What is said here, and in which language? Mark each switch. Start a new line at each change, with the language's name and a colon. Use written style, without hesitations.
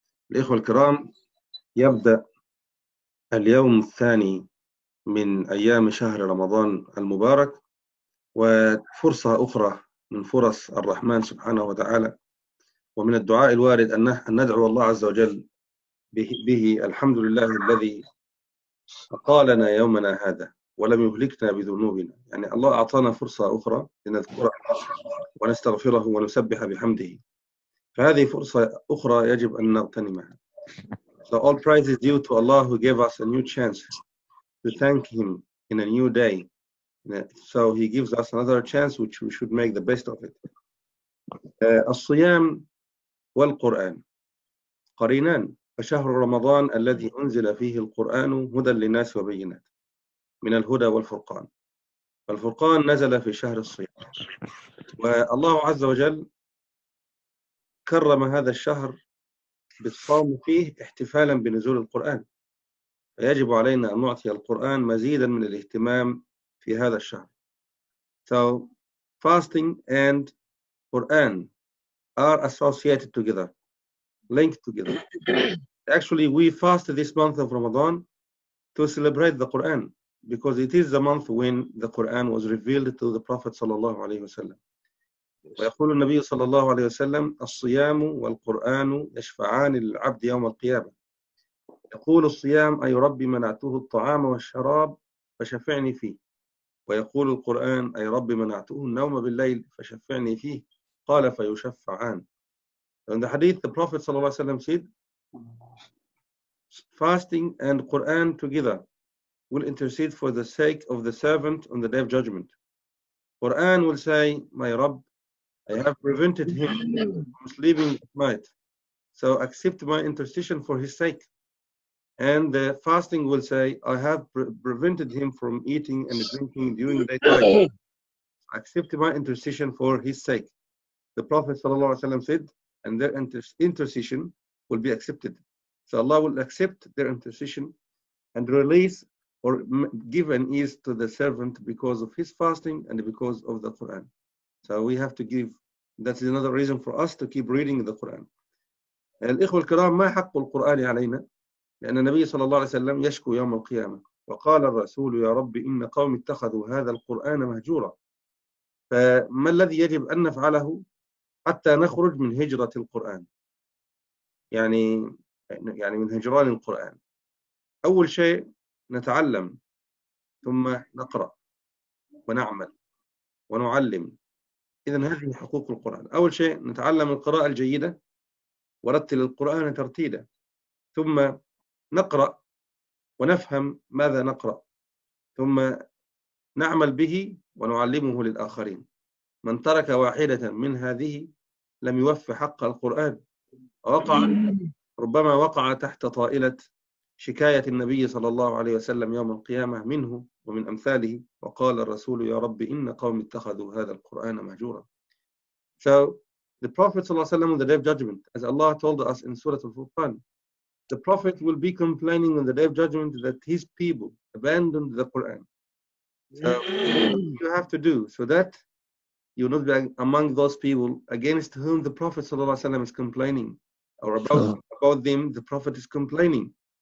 Arabic: الإخوة الكرام، يبدأ اليوم الثاني من أيام شهر رمضان المبارك، وفرصة أخرى من فرص الرحمن سبحانه وتعالى، ومن الدعاء الوارد أن ندعو الله عز وجل به الحمد لله الذي أقالنا يومنا هذا ولم يهلكنا بذنوبنا. يعني الله أعطانا فرصة أخرى لنذكره ونستغفره ونسبح بحمده، فهذه فرصة أخرى يجب أن نغتنمها.
English: So all praise is due to Allah who gave us a new chance to thank Him in a new day. So He gives us another chance which we should make the best of it.
Arabic: الصيام والقرآن قرينان. فشهر رمضان الذي أنزل فيه القرآن هدى للناس وبينات من الهدى والفرقان. فالفرقان نزل في شهر الصيام، والله عز وجل كرم هذا الشهر بالصوم فيه احتفالا بنزول القرآن، فيجب علينا أن نعطي القرآن مزيدا من الاهتمام في هذا الشهر.
English: So fasting and Quran are associated together, linked together. Actually, we fast this month of Ramadan to celebrate the Quran, because it is the month when the Quran was revealed to the Prophet
Arabic: sallallahu alaihi wasallam. ويقول النبي صلى الله عليه وسلم الصيام والقرآن يشفعان للعبد يوم القيامة. يقول الصيام أي ربي منعته الطعام والشراب فشفعني فيه، ويقول القرآن أي ربي منعته النوم بالليل فشفعني فيه قال فيشفعان.
English: In the hadith, the Prophet
Arabic: صلى الله عليه وسلم
English: said, fasting and Quran together will intercede for the sake of the servant on the day of judgment. Quran will say, my Rabb, I have prevented him from sleeping at night, so accept my intercession for his sake. And the fasting will say, I have prevented him from eating and drinking during the day, accept my intercession for his sake. The Prophet
Arabic: sallallahu alaihi wasallam
English: said, and their intercession will be accepted. So Allah will accept their intercession and release or give an ease to the servant because of his fasting and because of the Quran. So we have to give, that is another reason for us to keep reading the Quran.
Arabic: الإخوة الكرام، ما حق القرآن علينا؟ لأن النبي صلى الله عليه وسلم يشكو يوم القيامة، وقال الرسول يا ربي إن قوم اتخذوا هذا القرآن مهجورا. فما الذي يجب أن نفعله حتى نخرج من هجرة القرآن؟ يعني من هجران القرآن. أول شيء نتعلم، ثم نقرأ ونعمل ونعلم. إذن هذه حقوق القرآن. أول شيء نتعلم القراءة الجيدة ورتل القرآن ترتيلا، ثم نقرأ ونفهم ماذا نقرأ، ثم نعمل به ونعلمه للآخرين. من ترك واحدة من هذه لم يوف حق القرآن، ربما وقع تحت طائلة شكاية النبي صلى الله عليه وسلم يوم القيامة منه ومن أمثاله، وقال الرسول يا رب إن قوم اتخذوا هذا القرآن مهجورا.
English: So the Prophet
Arabic: صلى الله عليه وسلم
English: on the day of judgment, as Allah told us in Surah Al-Furqan, the Prophet will be complaining on the day of judgment that his people abandoned the Quran. So what do you have to do so that you will not be among those people against whom the Prophet
Arabic: صلى الله عليه وسلم
English: is complaining, or about them the Prophet is complaining?